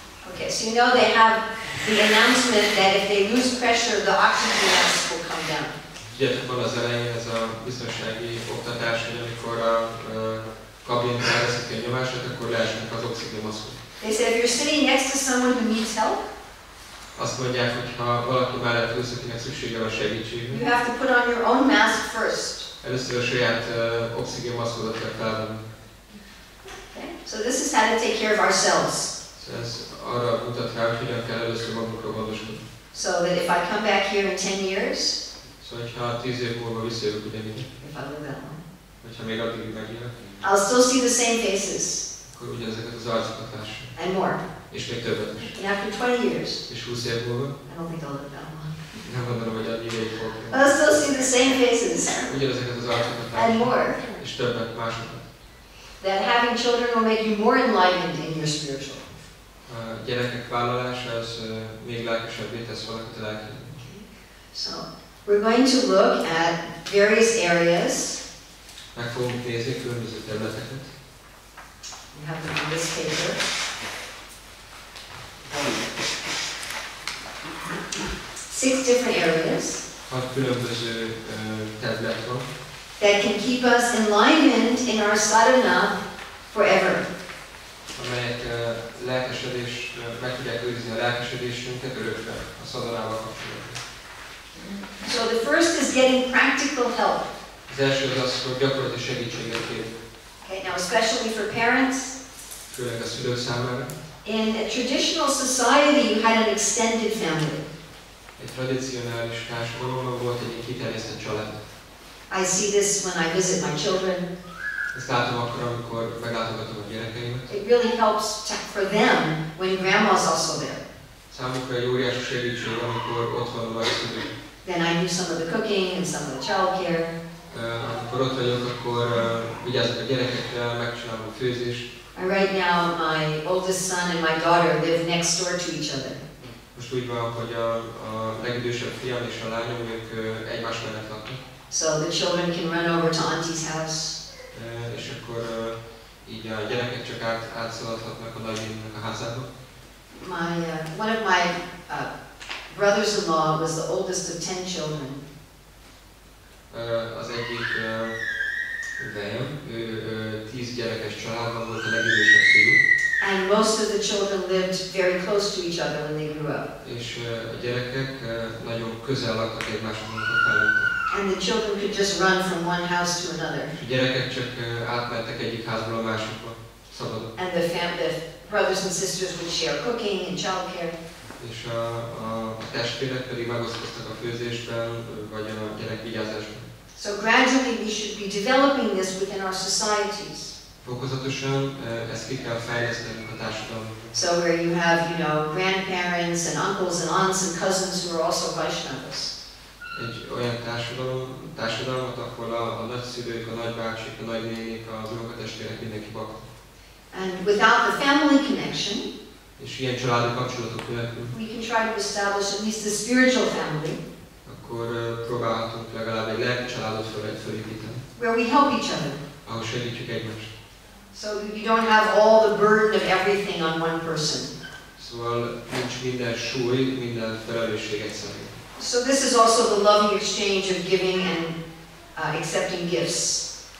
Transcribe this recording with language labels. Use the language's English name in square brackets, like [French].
[English] Okay, so you know they have the announcement that if they lose pressure, the oxygen levels will come down. [Hungarian] Ugyetek van az elején ez a biztonsági oktatás, hogy amikor a kabin elveszik a nyomását, akkor leesnek az oxigénmaszkok. [English] They said, if you're sitting next to someone who needs help, [Hungarian] azt mondják, hogy ha valaki mellett ülsz, akinek szüksége van segítségre, [English] you have to put on your own mask first. [Hungarian] Először a saját oxigén maszkodat kell felvenni. [English] So this is how to take care of ourselves. [Hungarian] So ez arra mutat rá, hogy hogyan kell először magunkra gondoskodni. [English] So that if I come back here in 10 years, [Hungarian] so hogyha 10 év múlva visszajövök ugyanígy, [English] if I live that long, [Hungarian] hogyha még addig megjövök, [English] I'll still see the same faces. [Hungarian] Akkor ugyanezeket az arcokat lássam. [English] And more. [Hungarian] És még többet is. [English] And after 20 years, [Hungarian] és 20 év múlva, [English] I don't think I'll live that long. [Hungarian] Nem gondolom, hogy annyi ideig fog. [English] I'll still see the same faces. [Hungarian] Ugyanezeket az arcokat látom. [English] And more. [Hungarian] És többet, másokat. [English] That having children will make you more enlightened in your spiritual life. [Hungarian] A gyerekek vállalása az még lelkesebbé tesz valakit a lelkében. [English] So we're going to look at various areas. [Hungarian] Meg fogunk nézni különböző területeket. [English] We have them on this paper. Six different areas. [Hungarian] Hat különböző terület van. [English] That can keep us enlightened in our sadhana forever. [Hungarian] Amelyek lelkesedés, meg tudják őrizni a lelkesedésünket örökre, a szadhanával kapcsolatban. [English] So the first is getting practical help. [Hungarian] Az első az az, hogy gyakorlati segítséget kér. [English] Okay, now especially for parents. [Hungarian] Főleg a szülők számára. [English] In a traditional society, you had an extended family. [Hungarian] Egy tradicionális társadalomban volt egy kiterjesztett család. [English] I see this when I visit my children. [Hungarian] Ezt látom akkor, amikor meglátogatom a gyerekeimet. [English] It really helps for them when grandma's also there. [Hungarian] Számukra egy óriási segítség, amikor ott van a nagyszülő. [English] Then I do some of the cooking and some of the childcare. [Hungarian] Amikor ott vagyok, akkor vigyázok a gyerekekre, megcsinálom a főzést. [English] And right now my oldest son and my daughter live next door to each other. [Hungarian] Most úgy van, hogy a legidősebb fiam és a lányom, ők egymás mellett laknak. [English] So the children can run over to auntie's house. [Hungarian] És akkor így a gyerekek csak átszaladhatnak a nagyinak a házába. [English] My one of my brothers-in-law was the oldest of 10 children. [Hungarian] Az egyik velem, ő 10 gyerekes családban volt a legidősebb fiú. [English] And most of the children lived very close to each other when they grew up. [Hungarian] És a gyerekek nagyon közel laktak egymáshoz, amikor felnőttek. [English] And the children could just run from one house to another. [Hungarian] A gyerekek csak átmentek egyik házból a másikba, szabadon. [English] And the brothers and sisters would share cooking and childcare. [Hungarian] És a testvérek pedig megosztottak a főzésben, vagy a gyerek vigyázásban. [English] So gradually we should be developing this within our societies. [Hungarian] Fokozatosan ezt ki kell fejlesztenünk a társadalomban. [English] So where you have, you know, grandparents and uncles and aunts and cousins who are also Vaishnavas. [Hungarian] Egy olyan társadalmat, ahol a nagyszülők, a nagybácsik, a nagynénik, az unokatestvérek, mindenki bakta. [English] And without the family connection, [Hungarian] és ilyen családi kapcsolatok nélkül, [English] we can try to establish at least a spiritual family, [Hungarian] akkor próbálhatunk legalább egy lelki családot felépíteni, [English] where we help each other, [Hungarian] ahol segítjük egymást. [English] So you don't have all the burden of everything on one person. [Hungarian] Szóval nincs minden súly, minden felelősség egyszerűen. [English] So this is also the loving exchange of giving and accepting gifts.